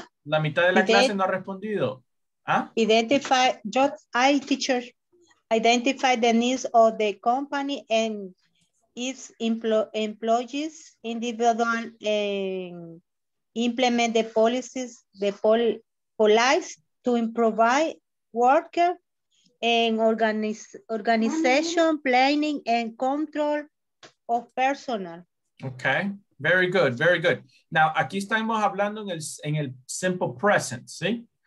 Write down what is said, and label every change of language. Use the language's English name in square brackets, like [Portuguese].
[Spanish] La mitad de la clase no ha respondido. ¿Ah? [English] Identify the needs of the company and its employees, individual, and implement the policies, police to improve worker and organization planning and control of personnel. Okay, very good, very good. [Spanish] Now, aquí estamos hablando en el simple present, ¿sí?